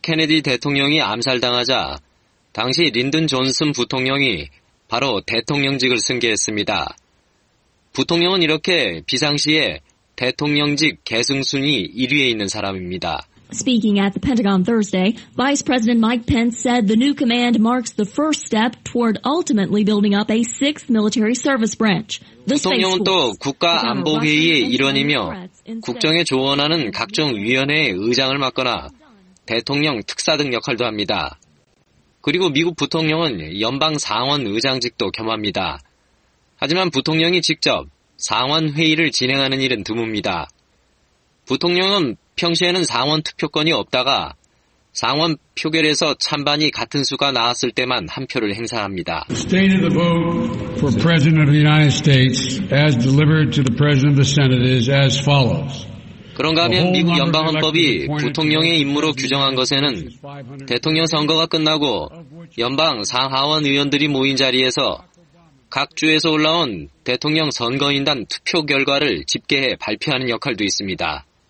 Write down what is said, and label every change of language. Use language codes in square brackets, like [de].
[ko] 케네디 대통령이 암살당하자 당시 린든 존슨 부통령이 바로 대통령직을 승계했습니다. 부통령은 이렇게 비상시에 대통령직 계승순위 1위에 있는 사람입니다. [en] Speaking at the Pentagon Thursday, Vice President Mike Pence said the new command marks the first step toward ultimately building up a sixth military service branch. [ko] 대통령은 또 국가안보회의의 일원이며 국정에 조언하는 각종 위원회의 의장을 맡거나 대통령 특사 등 역할도 합니다. 그리고 미국 부통령은 연방 상원 의장직도 겸합니다. 하지만 부통령이 직접 상원 회의를 진행하는 일은 드뭅니다. 부통령은 평시에는 상원 투표권이 없다가 상원 표결에서 찬반이 같은 수가 나왔을 때만 한 표를 행사합니다. [en] State of the vote for President of the United States as delivered to the President of the Senate is as follows. [ko] 그런가 하면 미국 연방헌법이 부통령의 임무로 규정한 것에는 대통령 선거가 끝나고 연방 상하원 의원들이 모인 자리에서 각 주에서 올라온 대통령 선거인단 투표 결과를 집계해 발표하는 역할도 있습니다.